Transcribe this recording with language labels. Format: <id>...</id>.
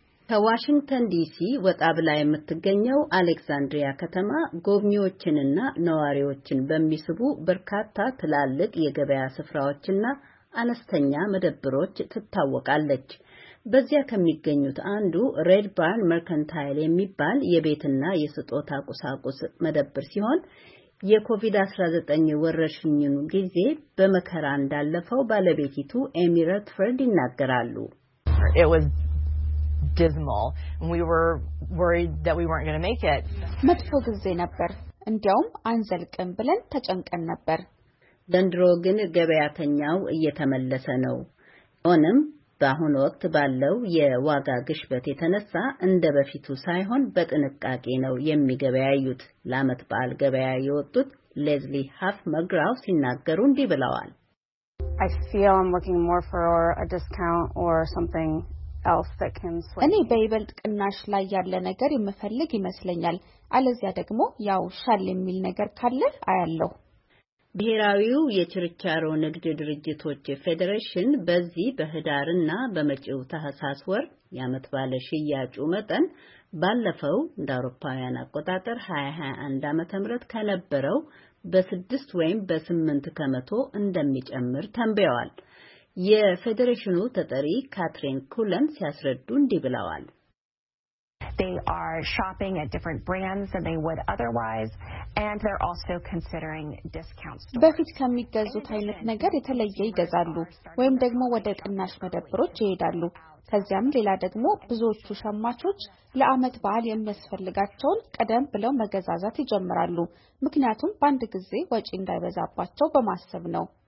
<am>ከዋሽንግተን ዲሲ ወጣ ብላ የምትገኘው አሌክሳንድሪያ ከተማ ጎብኚዎችንና ነዋሪዎችን በሚስቡ በርካታ ትላልቅ የገበያ ስፍራዎችና አነስተኛ መደብሮች ትታወቃለች። በዚያ ከሚገኙት አንዱ ሬድ ባርን መርካንታይል የሚባል የቤትና የስጦታ ቁሳቁስ መደብር ሲሆን የኮቪድ-19 ወረርሽኙን ጊዜ በመከራ እንዳለፈው ባለቤቲቱ ኤሚ ረትፈርድ ይናገራሉ።</am> <en>Dismal, and we were worried that we weren't going to make it.</en> <am>መጥፎ ጊዜ ነበር። እንዲያውም አንዘልቅም ብለን ተጨንቀን ነበር። ዘንድሮ ግን ገበያተኛው እየተመለሰ ነው። ሆነም በአሁን ወቅት ባለው የዋጋ ግሽበት የተነሳ እንደ በፊቱ ሳይሆን በጥንቃቄ ነው የሚገበያዩት። ለአመት በዓል ገበያ የወጡት ሌዝሊ ሃፍ መግራው ሲናገሩ እንዲህ ብለዋል።</am> <en>I feel I'm looking more for a discount or something else that can swing.</en> <am>እኔ በይበልጥ ቅናሽ ላይ ያለ ነገር የምፈልግ ይመስለኛል። አለዚያ ደግሞ ያው ሻል የሚል ነገር ካለ አያለሁ። ብሔራዊው የችርቻሮ ንግድ ድርጅቶች ፌዴሬሽን በዚህ በህዳርና በመጪው ተሐሳስ ወር የአመት ባለ ሽያጩ መጠን ባለፈው እንደ አውሮፓውያን አቆጣጠር 2021 ዓመተ ምህረት ከነበረው በ6 ወይም በ8 ከመቶ እንደሚጨምር ተንብየዋል። የፌዴሬሽኑ ተጠሪ ካትሪን ኩለን ሲያስረዱ እንዲህ ብለዋል።</am> <en>They are shopping at different brands than they would otherwise, and they're also considering discount stores.</en> <am>በፊት ከሚገዙት አይነት ነገር የተለየ ይገዛሉ ወይም ደግሞ ወደ ቅናሽ መደብሮች ይሄዳሉ። ከዚያም ሌላ ደግሞ ብዙዎቹ ሸማቾች ለአመት በዓል የሚያስፈልጋቸውን ቀደም ብለው መገዛዛት ይጀምራሉ፣ ምክንያቱም በአንድ ጊዜ ወጪ እንዳይበዛባቸው በማሰብ ነው።</am>